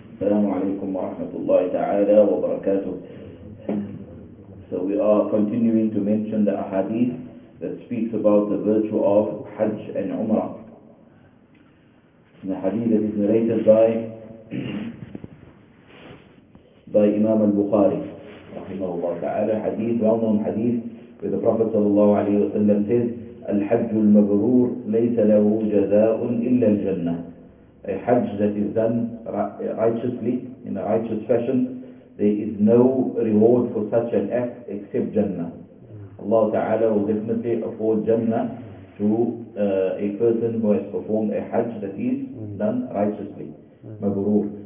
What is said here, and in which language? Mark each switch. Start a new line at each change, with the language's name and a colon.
Arabic: السلام عليكم ورحمة الله تعالى وبركاته.
English: So we are continuing to mention the ahadith that speaks about the virtue of Hajj and Umrah. The hadith that is narrated by Imam al-Bukhari رحمه الله تعالى, حديث well-known hadith where the Prophet صلى الله عليه وسلم says,
Arabic: الحج المبرور ليس له جزاء إلا الجنة.
English: A Hajj that is done righteously, in a righteous fashion, there is no reward for such an act except Jannah. Allah Ta'ala will definitely afford Jannah to a person who has performed a Hajj that is done righteously. Mabrur.